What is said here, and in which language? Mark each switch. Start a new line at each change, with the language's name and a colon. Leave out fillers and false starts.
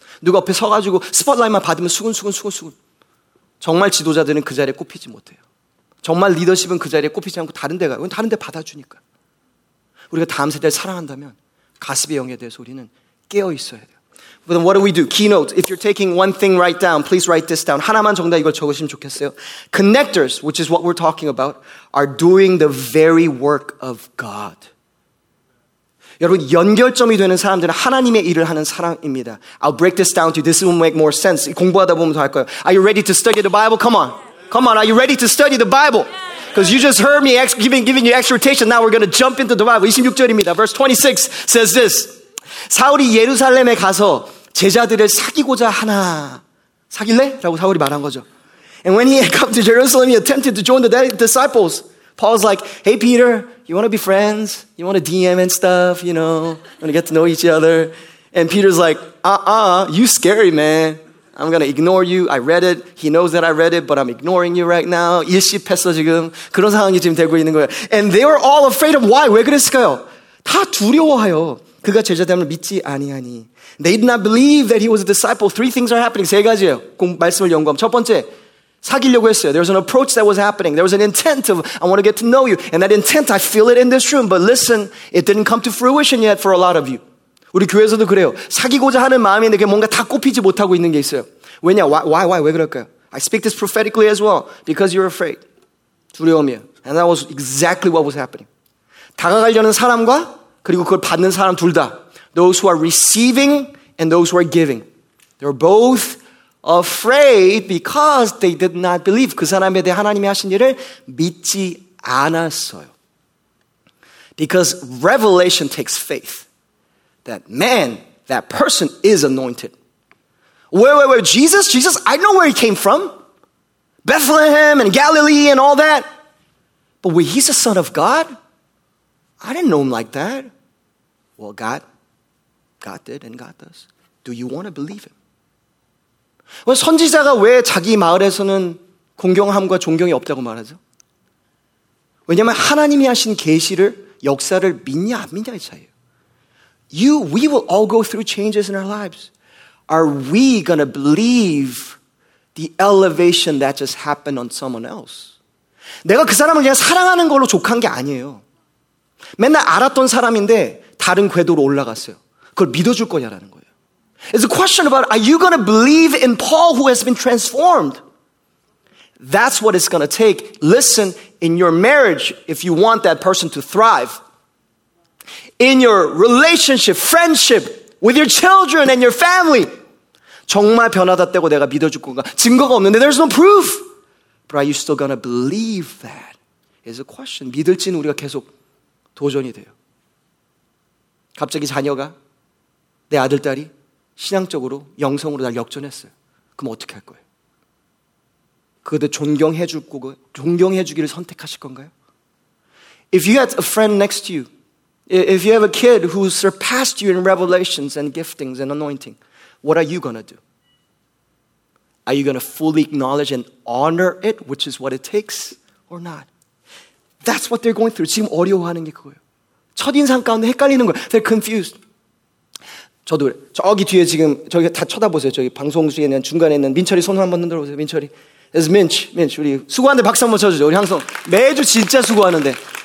Korean: 누가 옆에 서가지고 스팟라인만 받으면 수근수근. 정말 지도자들은 그 자리에 꽃피지 못해요. 정말 리더십은 그 자리에 꽃피지 않고 다른 데 가요. 다른 데 받아주니까. 우리가 다음 세대를 사랑한다면 가십의 영에 대해서 우리는 깨어있어야 돼요.
English: But then what do we do? Keynote. If you're taking one thing, write down. Please write this down.
Korean: 하나만 정답 이걸 적으시면 좋겠어요.
English: Connectors, which is what we're talking about, are doing the very work of God.
Korean: 여러분, 연결점이 되는 사람들은 하나님의 일을 하는 사람입니다.
English: I'll break this down to you. This will make more sense.
Korean: 공부하다 보면 더 할 거예요.
English: Are you ready to study the Bible? Come on. Come on. Are you ready to study the Bible? Because you just heard me giving you exhortation. Now we're going to jump into the Bible.
Korean: 26절입니다.
English: Verse 26 says this.
Korean: 사울이 예루살렘에 가서 제자들을 사귀고자 하나 사귈래? 라고 사울이 말한 거죠.
English: And when he had come to Jerusalem, he attempted to join the disciples. Paul's like, hey Peter, you want to be friends? You want to DM and stuff, you know? You want to get to know each other? And Peter's like, you scary man. I'm going to ignore you. I read it. He knows that I read it, but I'm ignoring you right now.
Korean: 일십했어 지금. 그런 상황이 지금 되고 있는 거예요.
English: And they were all afraid of why?
Korean: 왜 그랬을까요? 다 두려워해요. 그가 제자됨을 믿지 아니하니.
English: They did not believe that he was a disciple. Three things are happening.
Korean: 세 가지예요. 말씀을 연구하면. 첫 번째, 사귀려고 했어요.
English: There was an approach that was happening. There was an intent of, I want to get to know you. And that intent, I feel it in this room. But listen, it didn't come to fruition yet for a lot of you.
Korean: 우리 교회에서도 그래요. 사귀고자 하는 마음이 있는데 뭔가 다 꼽히지 못하고 있는 게 있어요. 왜냐?
English: Why?
Korean: 왜 그럴까요?
English: I speak this prophetically as well. Because you're afraid.
Korean: 두려움이에요.
English: And that was exactly what was happening.
Korean: 다가가려는 사람과 그리고 그걸 받는 사람 둘 다.
English: Those who are receiving and those who are giving. They're both afraid because they did not believe.
Korean: 그 사람에 대해 하나님이 하신 일을 믿지 않았어요.
English: Because revelation takes faith. That man, that person is anointed. Wait, Jesus, I know where he came from. Bethlehem and Galilee and all that. But wait, he's the son of God? I didn't know him like that. Well, God did and God does. Do you want to believe him?
Korean: 선지자가 왜 자기 마을에서는 공경함과 존경이 없다고 말하죠? 왜냐하면 하나님이 하신 계시를 역사를 믿냐 안 믿냐의 차이예요.
English: We will all go through changes in our lives. Are we going to believe the elevation that just happened on someone else?
Korean: 내가 그 사람을 그냥 사랑하는 걸로 족한 게 아니에요. 맨날 알았던 사람인데 다른 궤도로 올라갔어요. 그걸 믿어줄 거냐라는 거예요.
English: It's a question about, are you going to believe in Paul who has been transformed? That's what it's going to take. Listen, in your marriage, if you want that person to thrive, in your relationship, friendship, with your children and your family,
Korean: 정말 변화됐다고 내가 믿어줄 건가? 증거가 없는데,
English: there's no proof. But are you still going to believe that? Is a question.
Korean: 믿을지는 우리가 계속 도전이 돼요. 갑자기 자녀가, 내 아들, 딸이 신앙적으로, 영성으로 날 역전했어요. 그럼 어떻게 할 거예요? 그들 존경해 줄 거고, 존경해 주기를 선택하실 건가요?
English: If you had a friend next to you, if you have a kid who surpassed you in revelations and giftings and anointing, what are you going to do? Are you going to fully acknowledge and honor it, which is what it takes, or not? That's what they're going through.
Korean: 지금 어려워하는 게 그거예요. 첫인상 가운데 헷갈리는 거예요.
English: They're confused.
Korean: 저도 저기 뒤에 지금 저기 다 쳐다보세요. 저기 방송 중에 있는 중간에 있는 민철이 손 한번 흔들어 보세요.
English: 민철이. It's Minch. Minch.
Korean: 우리 수고하는데 박수 한번 쳐주죠. 우리 항상 매주 진짜 수고하는데.